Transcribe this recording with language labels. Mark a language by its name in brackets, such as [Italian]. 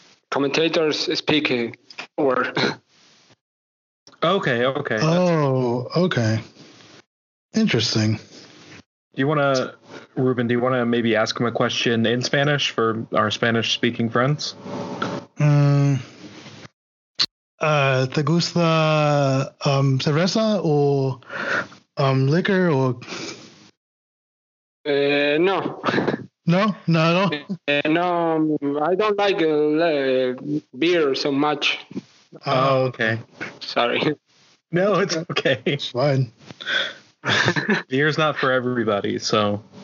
[English] commentators speak over. Okay, okay. Okay. Interesting. Do you want to, Ruben, do you want to maybe ask him a question in Spanish for our Spanish-speaking friends? [Spanish] ¿Te gusta cerveza o liquor o...? No. No? No, no? [English] No, I don't like beer so much. Oh, okay. Sorry. No, it's okay. It's fine. Beer's not for everybody, so...